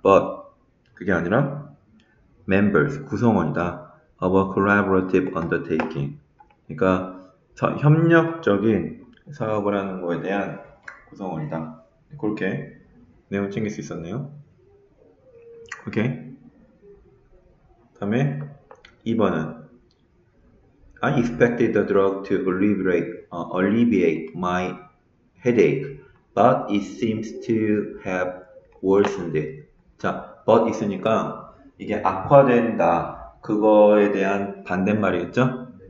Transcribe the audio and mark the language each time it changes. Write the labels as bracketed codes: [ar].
[ko] But 그게 아니라 members 구성원이다. [en] Of a collaborative undertaking. [ko] 그러니까 협력적인 사업을 하는 거에 대한 구성원이다. 그렇게 내용 챙길 수 있었네요. 오케이. 다음에 2번은 [en] I expected the drug to alleviate my headache, but it seems to have worsened it. [ko] 자, but 있으니까 이게 악화된다. 그거에 대한 반대말이겠죠?